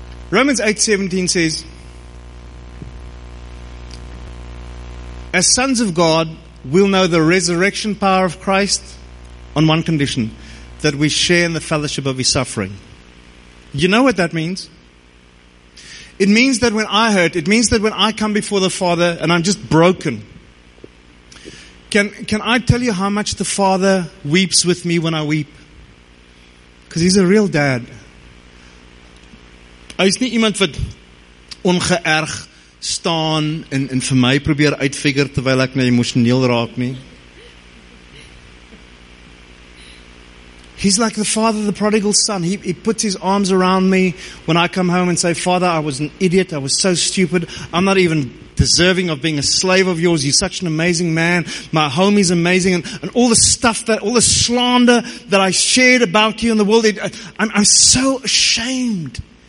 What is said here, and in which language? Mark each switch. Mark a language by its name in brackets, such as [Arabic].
[English] Romans 8:17 says, as sons of God, we'll know the resurrection power of Christ on one condition, that we share in the fellowship of his suffering. You know what that means? It means that when I hurt, it means that when I come before the Father and I'm just broken, can I tell you how much the Father weeps with me when I weep? Because he's a real dad. [Afrikaans] Hy is nie iemand wat ongeërg staan en vir my probeer uitfigure terwyl ek nou emosioneel raak nie. [English] He's like the father of the prodigal son. He puts his arms around me when I come home and say, Father, I was an idiot. I was so stupid. I'm not even deserving of being a slave of yours. You're such an amazing man. My home is amazing. And all the stuff that, all the slander that I shared about you in the world, I'm so ashamed.